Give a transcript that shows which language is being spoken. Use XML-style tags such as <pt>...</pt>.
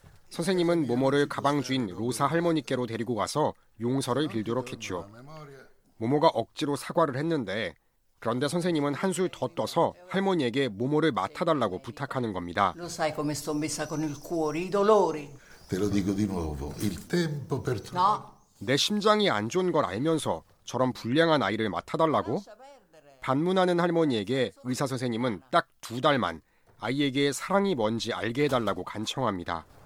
<ko>선생님은 모모를 가방 주인 로사 할머니께로 데리고 가서 용서를 빌도록 했죠. 모모가 억지로 사과를 했는데 그런데 선생님은 한술 더 떠서 할머니에게 모모를 맡아달라고 부탁하는 겁니다.</ko> <it>Lo sai come sto messa con il cuore, i dolori. Te lo dico di nuovo. Il tempo per tu. No.</it> <ko>내 심장이 안 좋은 걸 알면서 저런 불량한 아이를 맡아달라고? 반문하는 할머니에게 의사 선생님은 딱 두 달만 아이에게 사랑이 뭔지 알게 해달라고 간청합니다.</ko>